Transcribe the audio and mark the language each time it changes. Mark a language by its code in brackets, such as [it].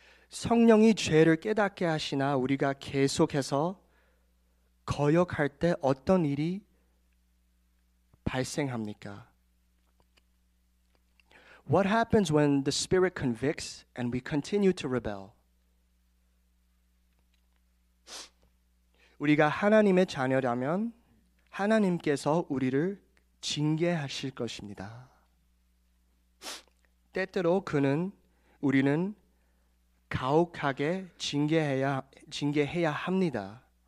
[ko] 성령이 죄를 깨닫게 하시나 우리가 계속해서 거역할 때 어떤 일이 발생합니까? [en] What happens when the Spirit convicts and we continue to rebel? [ko] 우리가 하나님의 자녀라면 하나님께서 우리를 징계하실 것입니다. 때때로 우리는 가혹하게 징계해야 합니다.